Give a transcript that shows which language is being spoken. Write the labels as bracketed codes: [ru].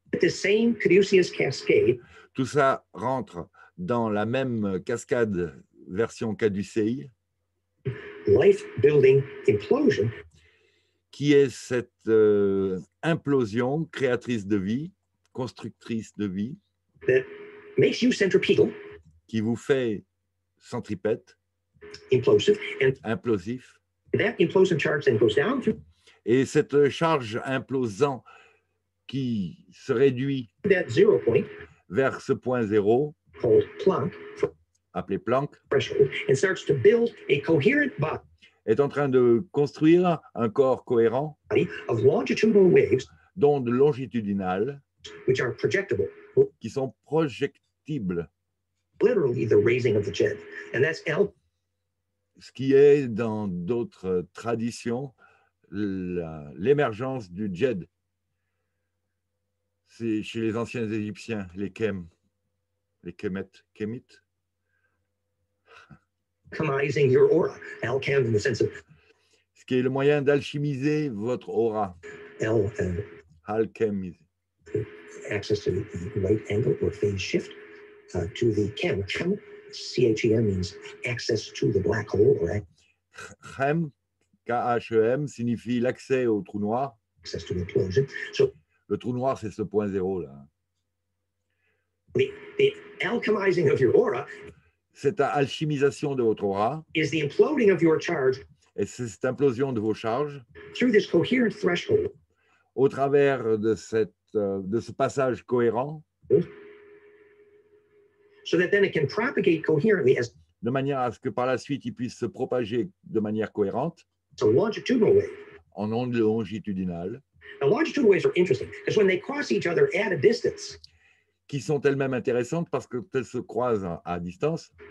[en] The same Caduceus cascade. [fr] Tout ça rentre dans la même cascade version Caducei. [en] Life building implosion. [fr] Qui est cette implosion créatrice de vie. Constructrice de vie [en] that makes you centripetal, [fr] qui vous fait centripète, implosif. [en] That implosion charge then goes down through, [fr] et cette charge implosant qui se réduit [en] that zero point, [fr] vers ce point zéro [en] called Planck, [fr] appelé Planck [en] threshold, and starts to build a coherent body, [fr] est en train de construire un corps cohérent [en] of longitudinal waves, [fr] d'ondes longitudinales. [en] Which are projectable. [fr] Qui sont projectibles. [en] Literally the raising of the jet. And that's L. [fr] Ce qui est dans d'autres traditions, l'émergence du jet. C'est chez les anciens Égyptiens, les Kem. Les Kemet. [en] Alchemizing your aura. Alchem in the sense of. [fr] Ce qui est le moyen d'alchimiser votre aura. [en] Alchemizing. Access to the right angle or phase shift to the chem. Chem, C-H-E-M, means access to the black hole. Right? [fr] Chem, K-H-E-M, signifie l'accès au trou noir. [en] Access to the implosion. So, [fr] Le trou noir, c'est ce point zéro là. [en] The alchemizing of your aura. [fr] Cette alchimisation de votre aura. [en] Is the imploding of your charge. [fr] Et c'est cette implosion de vos charges. [en] Through this coherent threshold. [fr] Au travers de ce passage cohérent. [en] So that then it can propagate coherently as. [fr] De manière à ce que par la suite il puisse se propager de manière cohérente. [en] It's a longitudinal wave. [fr] En onde longitudinale. [en] The longitudinal waves are interesting because when they cross each other at a distance. [fr] Qui sont elles-mêmes intéressantes parce qu'elles se croisent à distance.